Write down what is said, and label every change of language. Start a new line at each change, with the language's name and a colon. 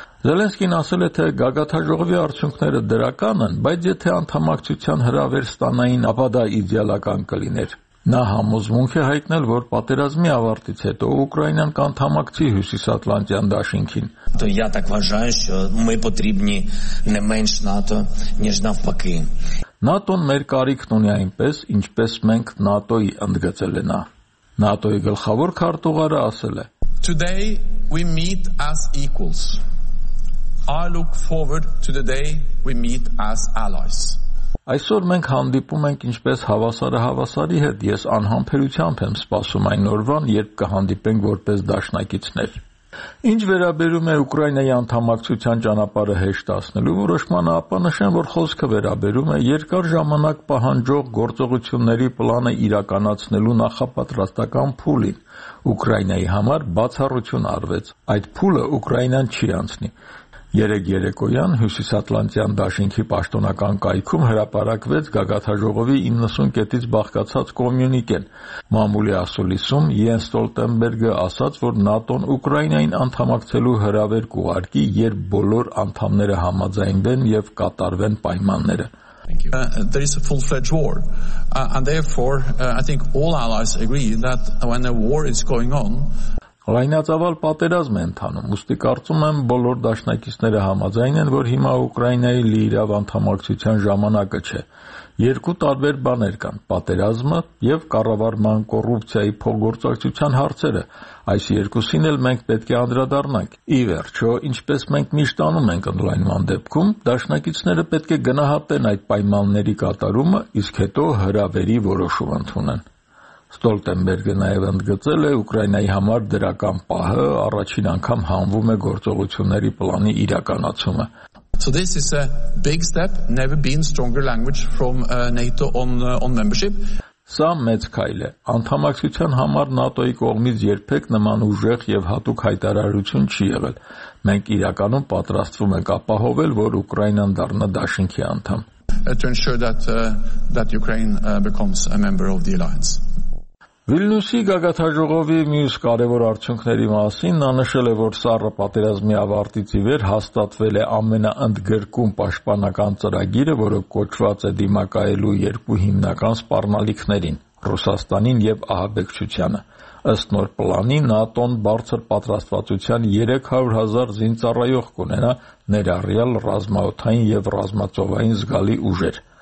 Armenian: Զելենսկին ասել է, թե գագաթաժողովի արդյունքները դրական են, բայց եթե անդամակցության հրավեր ստանային, ապա դա իդեալական կլիներ։ Նա համոզմունք է հայտնել, որ պատերազմի ավարտից հետո Ուկրաինան կանդամակցի Հյուսիսատլանտյան դաշինքին։ ՆԱՏՕ-ն մեր կարիքն ունի այնպես, ինչպես մենք ՆԱՏՕ-ի ընդգծել են։ ՆԱՏՕ-ի գլխավոր քարտուղարը ասել է.
English: Today we meet as equals. I look forward to the day we meet as allies.
Armenian: Այսօր մենք հանդիպում ենք ինչպես հավասարը հավասարի հետ, ես անհամբերությամբ եմ սպասում այն օրվան, երբ կհանդիպենք որպես դաշնակիցներ։ Ինչ վերաբերում է Ուկրաինայի անդամակցության ճանապարհը հեշտացնելու որոշմանը, ապա նշեմ, որ խոսքը վերաբերում է երկար ժամանակ պահանջող գործողությունների պլանը իրականացնելու նախապատրաստական փուլին։ Ուկրաինայի համար բացառություն արվեց, այդ փուլը Ուկրաինան չի անցնի։ Երեկոյան Հյուսիսատլանտյան դաշինքի պաշտոնական կայքում հրապարակվեց գագաթաժողովի 90 կետից բաղկացած կոմյունիկեն։ Մամուլի ասուլիսում Յենս Ստոլտենբերգը ասաց, որ ՆԱՏՕ-ն Ուկրաինային անդամակցելու հրավեր կուղարկի, երբ բոլոր անդամները համաձայնվեն և կատարվեն պայմանները։
English: There is a full-fledged war, and therefore I think all allies agree that when a war is going on,
Armenian: Լայնածավալ պատերազմ է ընթանում, ուստի կարծում եմ բոլոր դաշնակիցները համաձայն են, որ հիմա Ուկրաինայի լիիրավ անդամակցության ժամանակը չէ։ Երկու տարբեր բաներ կան՝ պատերազմը և կառավարման կոռուպցիայի փոխգործակցության հարցերը։ Այս երկուսին էլ մենք պետք է անդրադառնանք։ Ի վերջո, ինչպես մենք միշտ անում ենք ընդլայնման դեպքում, դաշնակիցները պետք է գնահատեն այդ պայմանների կատարումը, իսկ հետո հրավերի որոշում ընդունեն։ Ստոլտենբերգը նաև ընդգծել է, Ուկրաինայի համար դրական պահը առաջին անգամ հանվում է գործողությունների պլանի իրականացումը։
English: So this is a big step, never been stronger language from NATO on membership.
Armenian: Սա մեծ քայլ է, անդամակցության համար ՆԱՏՕ-ի կողմից երբեք նման ուժեղ և հատուկ հայտարարություն չի եղել։ Մենք իրականում պատրաստվում ենք ապահովել, որ Ուկրաինան դառնա դաշինքի անդամ,
English: to ensure that Ukraine becomes a member of the alliance.
Armenian: Վիլնյուսի գագաթաժողովի մյուս կարևոր արդյունքների մասին նա նշել է, որ սառը պատերազմի ավարտից ի վեր հաստատվել է ամենաընդգրկուն պաշտպանական ծրագիրը, որը կոչված է դիմակայելու երկու հիմնական սպառնալիքներին՝ Ռուսաստանին և ահաբեկչությանը։ Ըստ նոր պլանի, ՆԱՏՕ-ն բարձր պատրաստվածության 300,000 զինծառայող կունենա ներառյալ ռազմաօդային և ռազմածովային զգալի ուժեր։